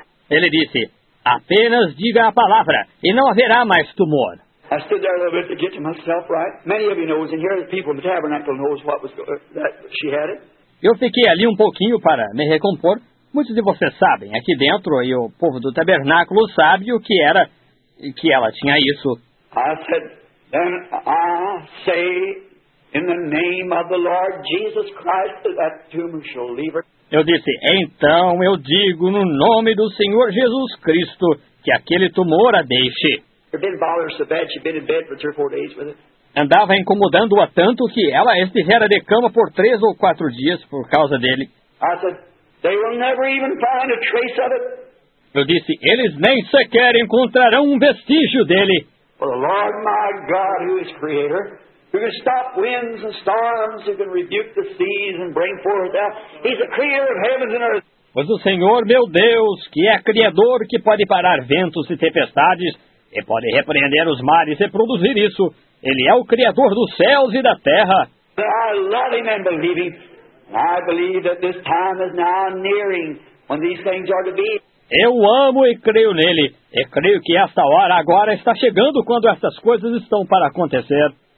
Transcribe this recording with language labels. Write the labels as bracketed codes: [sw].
[pt] Ele disse, apenas diga a palavra e não haverá mais tumor. [en] I stood there a little bit to get to myself right. Many of you know, and here the people in the tabernacle knows what was that she had it. [pt] Eu fiquei ali um pouquinho para me recompor. Muitos de vocês sabem, aqui dentro, e o povo do tabernáculo sabe o que era que ela tinha isso. [en] I said, then I say, in the name of the Lord Jesus Christ, that tumor shall leave her. [pt] Eu disse, então eu digo no nome do Senhor Jesus Cristo que aquele tumor a deixe. [en] She'd been bothering so bad, she'd been in bed for 3 or 4 days with it. [pt] Andava incomodando-a tanto que ela estivera de cama por 3 ou 4 dias por causa dele. [en] I said, they will never even find a trace of it. [pt] Eu disse, eles nem sequer encontrarão um vestígio dele. [en] For the Lord my God, who is creator, who can stop winds and storms, who can rebuke the seas and bring forth out. He's the creator of heavens and earth. [pt] Pois o Senhor, meu Deus, que é criador, que pode parar ventos e tempestades, e pode repreender os mares e produzir isso. Ele é o criador dos céus e da terra. [en] I love him and believe him. I believe that this time is now nearing when these things are to be. [pt] Eu amo e creio nele, e creio que esta hora agora está chegando quando essas coisas estão para acontecer.